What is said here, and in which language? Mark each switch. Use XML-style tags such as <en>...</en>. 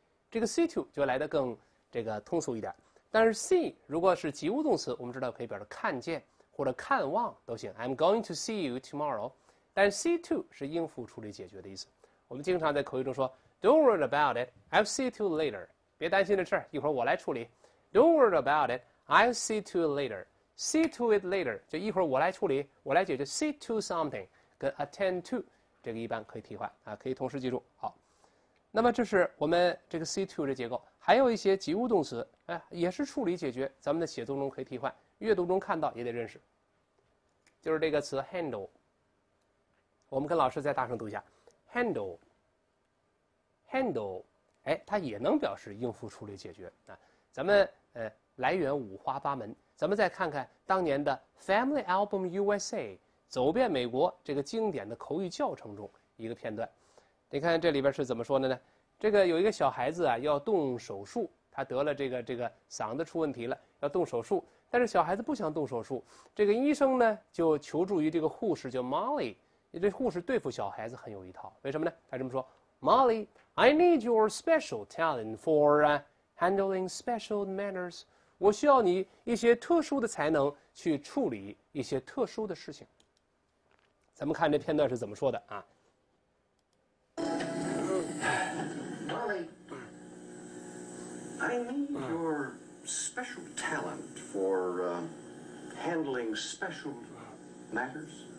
<zh>这个 see to 就来得更这个通俗一点，但是 see 如果是及物动词，我们知道可以表示看见或者看望都行，</zh> <en>I'm going to see you tomorrow，</en> <zh>但 see to 是应付处理解决的意思。我们经常在口语中说</zh> <en>Don't worry about it, I'll see to later.</en> <zh>别担心的事儿，一会儿我来处理。</zh> <en>Don't worry about it, I'll see to later. See to it later,</en> <zh>就一会儿我来处理，我来解决。See to something 跟 attend to 这个一般可以替换啊，可以同时记住。好，那么这是我们这个 see to 的结构，还有一些及物动词，也是处理解决，咱们的写作中可以替换，阅读中看到也得认识。就是这个词 handle， 我们跟老师再大声读一下 handle。 handle， 哎，它也能表示应付处理解决啊。咱们来源五花八门，咱们再看看当年的 Family Album USA 走遍美国这个经典的口语教程中一个片段。你看这里边是怎么说的呢？这个有一个小孩子啊要动手术，他得了这个嗓子出问题了，要动手术，但是小孩子不想动手术。这个医生呢就求助于这个护士叫 Molly， 这护士对付小孩子很有一套，为什么呢？他这么说 ，Molly。</zh> <en>I need your special talent for handling special matters.</en> <zh>我需要你一些特殊的才能去处理一些特殊的事情。咱们看这片段是怎么说的啊</zh> <en>？Molly, I need your special talent for handling special matters.</en>